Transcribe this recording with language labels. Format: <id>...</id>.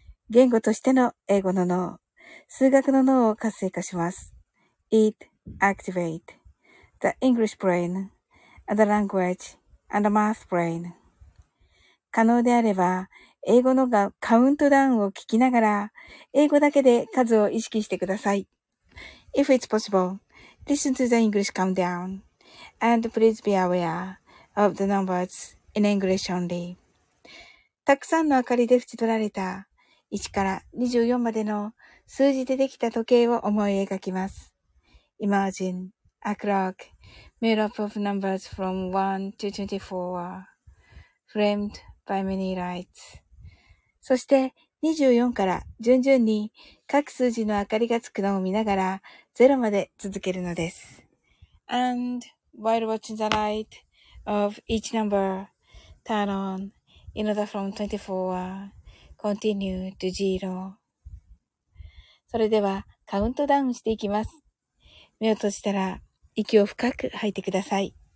<ja>言語としての英語の脳、数学の脳を活性化します。</ja> <en>It activate the English brain. And the language and the math brain.</en> <ja>可能であれば、英語のカウントダウンを聞きながら、英語だけで数を意識してください。</ja> <en>If it's possible, listen to the English countdown. And please be aware of the numbers in English only.</en> <ja>たくさんの明かりで縁取られた1から24までの数字でできた時計を思い描きます。</ja> <en>Imagine a clock. Made up of numbers from 1 to 24, framed by many lights.</en> <ja>そして24から順々に各数字の明かりがつくのを見ながら0まで続けるのです。</ja> <en>And while watching the light of each number turn on in order from 24, continue to 0.</en> <ja>それではカウントダウンしていきます。目を閉じたら息を深く吐いてください。</ja>